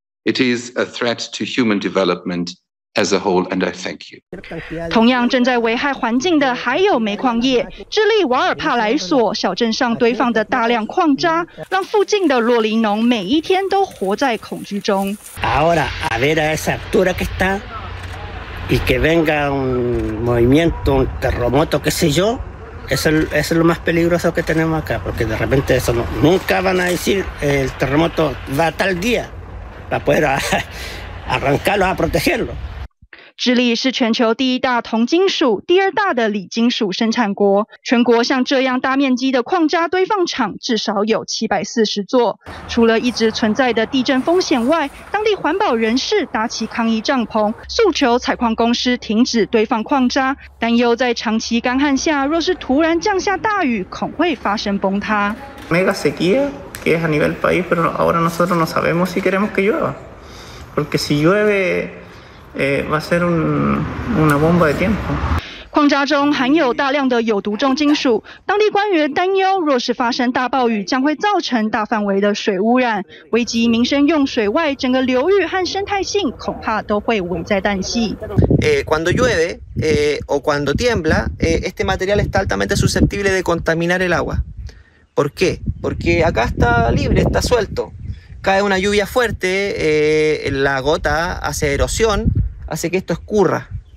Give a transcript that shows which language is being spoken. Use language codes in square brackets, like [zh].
[en] It is a threat to human development as a whole, and I thank you. [zh] 同样正在危害环境的还有煤矿业。智利瓦尔帕莱索小镇上堆放的大量矿渣，让附近的洛林农每一天都活在恐惧中。 [es] Ahora, a ver a esa altura que está, y que venga un movimiento, un terremoto, qué sé yo, eso es lo más peligroso que tenemos acá, porque de repente eso no, nunca van a decir el terremoto va tal día.Para poder arrancarlo, a protegerlo. [zh] 智利是全球第一大铜金属、第二大的锂金属生产国。全国像这样大面积的矿渣堆放厂至少有740座。除了一直存在的地震风险外，当地环保人士搭起抗议帐篷，诉求采矿公司停止堆放矿渣，担忧在长期干旱下，若是突然降下大雨，恐会发生崩塌。 [es] Mega sequía que es a nivel país, pero ahora nosotros no sabemos si queremos que llueva, porque si llueve va a ser una bomba de tiempo。 [zh] 矿渣中含有大量的有毒重金属，当地官员担忧若是发生大暴雨将会造成大范围的水污染，危及民生用水外，整个流域和生态性恐怕都会危在旦夕。 [es] Cuando llueve o cuando tiembla, este material está altamente susceptible de contaminar el agua. ¿Por qué? Porque acá está libre, está suelto. Cae una lluvia fuerte, la gota hace erosión, hace que esto escurra.